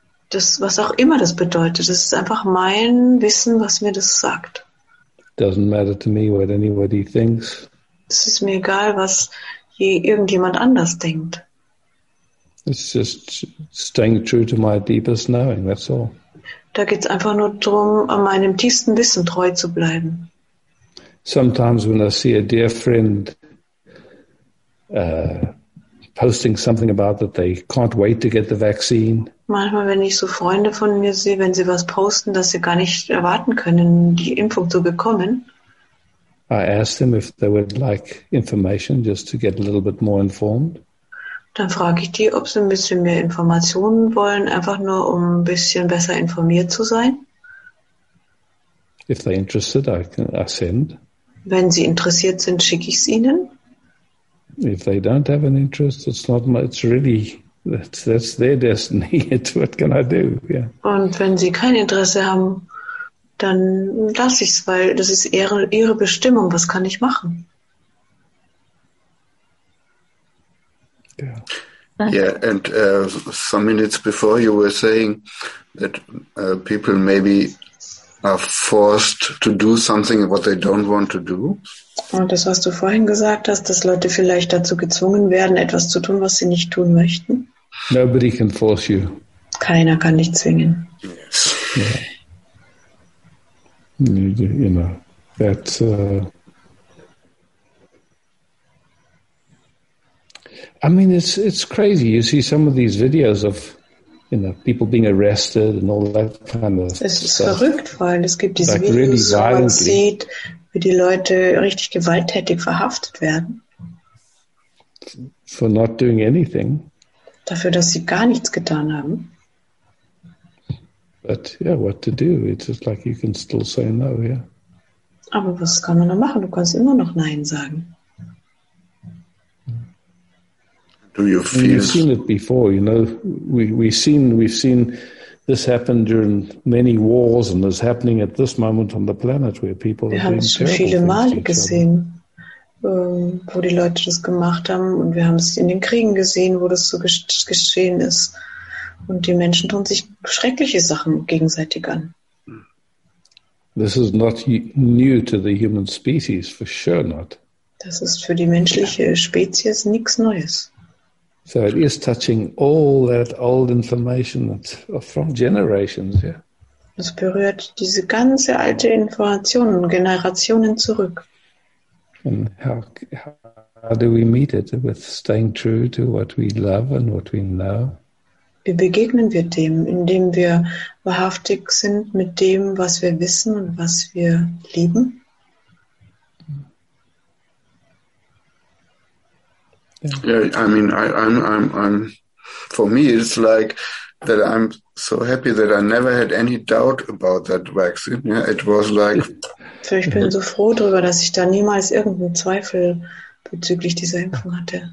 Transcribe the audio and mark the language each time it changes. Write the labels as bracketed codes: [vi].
[de] Das, was auch immer das bedeutet, das ist einfach mein Wissen, was mir das sagt. [en] Doesn't matter to me what anybody thinks. [de] Es ist mir egal, was je irgendjemand anders denkt. [en] It's just staying true to my deepest knowing, that's all. [de] Da geht es einfach nur darum, an meinem tiefsten Wissen treu zu bleiben. [en] Sometimes when I see a dear friend posting something about that they can't wait to get the vaccine. [de] Manchmal, wenn ich so Freunde von mir sehe, wenn sie was posten, dass sie gar nicht erwarten können, die Impfung zu bekommen. [en] I ask them if they would like information just to get a little bit more informed. [de] Dann frage ich die, ob sie ein bisschen mehr Informationen wollen, einfach nur, um ein bisschen besser informiert zu sein. [en] If they're interested, I send. [de] Wenn sie interessiert sind, schicke ich es ihnen. [en] If they don't have an interest, it's not my, it's really, that's their destiny. It's what can I do? Yeah. [de] Und wenn sie kein Interesse haben, dann lasse ich es, weil das ist ihre Bestimmung. Was kann ich machen? [en] Yeah, and some minutes before you were saying that people maybe are forced to do something what they don't want to do. [de] Und das, was du vorhin gesagt hast, dass Leute vielleicht dazu gezwungen werden, etwas zu tun, was sie nicht tun möchten. [en] Nobody can force you. [de] Keiner kann dich zwingen. [en] Yes. Yeah. You know, that's... I mean, it's crazy. You see some of these videos of, you know, people being arrested and all that kind of stuff. [de] Es ist verrückt, vor allem es gibt diese like Videos, really wo man sieht, wie die Leute richtig gewalttätig verhaftet werden. [en] For not doing anything. [de] Dafür, dass sie gar nichts getan haben. [en] But yeah, what to do? It's just like you can still say no, yeah. [de] Aber was kann man da machen? Du kannst immer noch Nein sagen. [en] Do you feel? We've seen it before, you know. We've seen this happen during many wars, and is happening at this moment on the planet where people are doing terrible things. [de] Wir haben es schon viele Male gesehen, wo die Leute das gemacht haben, und wir haben es in den Kriegen gesehen, wo das so geschehen ist. Und die Menschen tun sich schreckliche Sachen gegenseitig an. [en] This is not new to the human species, for sure not. [de] Das ist für die menschliche Spezies nichts Neues. [en] So it is touching all that old information that from generations, yeah. [de] Das berührt diese ganze alte Information Generationen zurück. [en] And how do we meet it with staying true to what we love and what we know? [de] Wie begegnen wir dem, indem wir wahrhaftig sind mit dem, was wir wissen und was wir lieben? [en] Yeah, I mean, I'm for me, it's like that I'm so happy that I never had any doubt about that vaccine. Yeah, it was like. [de] So ich bin so froh darüber, dass ich da niemals irgendeinen Zweifel bezüglich dieser Impfung hatte.